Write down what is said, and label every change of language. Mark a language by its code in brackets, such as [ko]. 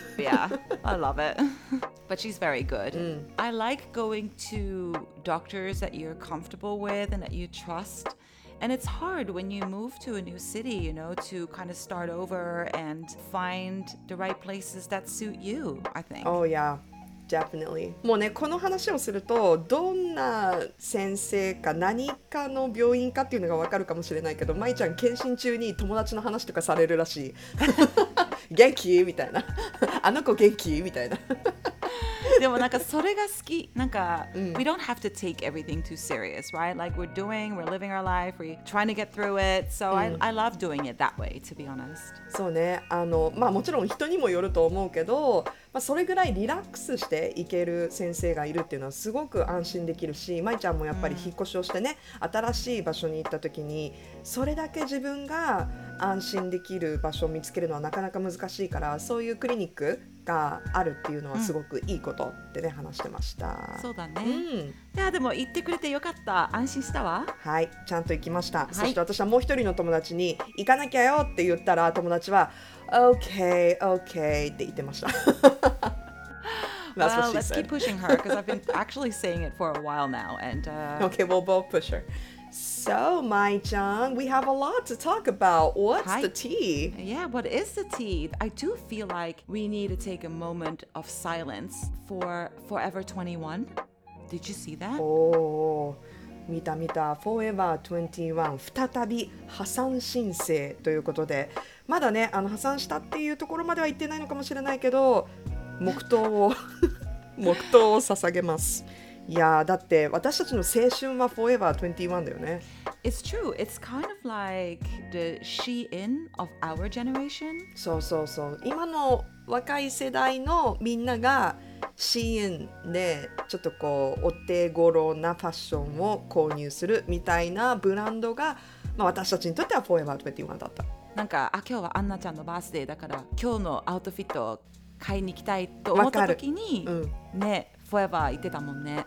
[en] Yeah, I love it. But she's very good. Mm. I like going to doctors that you're comfortable with and that you trust. And it's hard when you move to a new city, you know, to kind of start over and find the right places that suit you, I think. Oh, yeah, definitely. [ja] もうね、この話をすると、どんな先生か何かの病院かっていうのが分かるかもしれないけど、まいちゃん、検診中に友達の話とかされるらしい。元気？みたいな。あの子元気？みたいな。でもなんかそれが好き。なんか、うん、 [en] we don't have to take everything too serious, right? Like we're doing, we're living our life, we're trying to get through it. So、うん、I love doing it that way, to be honest. [ja] そうね。まあもちろん人にもよると思うけど、まあ、それぐらいリラックスしていける先生がいるっていうのはすごく安心できるし、舞ちゃんもやっぱり引っ越しをしてね、うん、新しい場所に行った時にそれだけ自分が安心できる場所を見つけるのはなかなか難しいから、そういうクリニックがあるっていうのはすごくいいことってね、うん、話してました。そうだね、うん、いやでも行ってくれてよかった、安心したわ。はい、ちゃんと行きました、はい、そして私はもう一人の友達に行かなきゃよって言ったら、友達は OK OK って言ってました。 [en] That's well, what she let's said. Keep pushing her, because I've been actually saying it for a while now, and Okay, we'll both push her. So, Mai-chan, we have a lot to talk about. What's the tea? Yeah, what is the tea? I do feel like we need to take a moment of silence for Forever 21. Did you see that? [ja] Oh, 見た。 Forever 21, 再び破産申請ということで、まだね、破産したっていうところまでは言ってないのかもしれないけど、黙祷を捧げます。いやだって私たちの青春は Forever 21だよね。 [en] It's true. It's kind of like the Shein of our generation. [ja] そうそうそう。今の若い世代のみんなが Shein でちょっとこうお手頃なファッションを購入するみたいなブランドが、まあ、私たちにとっては Forever 21だった。なんか、あ、今日はアンナちゃんのバースデーだから今日のアウトフィットを買いに行きたいと思った時に、うん、ね、フォーエバー行ってたもんね。